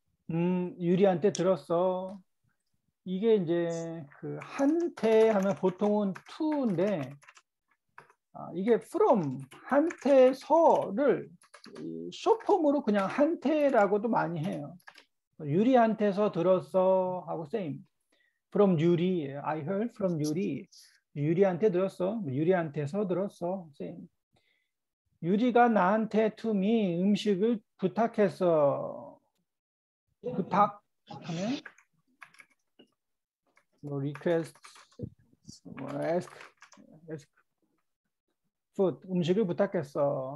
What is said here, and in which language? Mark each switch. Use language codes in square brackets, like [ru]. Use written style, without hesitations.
[ko] 유리한테 들었어. 이게 이제 그 한테 하면 보통은 to인데 이게 from 한테 서를 숏폼으로 그냥 한테라고도 많이 해요. 유리한테서 들었어 하고 same. [en] From 유리, I heard from 유리. [ko] 유리한테 들었어. 유리한테서 들었어. same. 유리가 나한테 to me 음식을 부탁했어. 부탁 하면 뭐 request, 뭐 ask, ask food 음식을 부탁했어.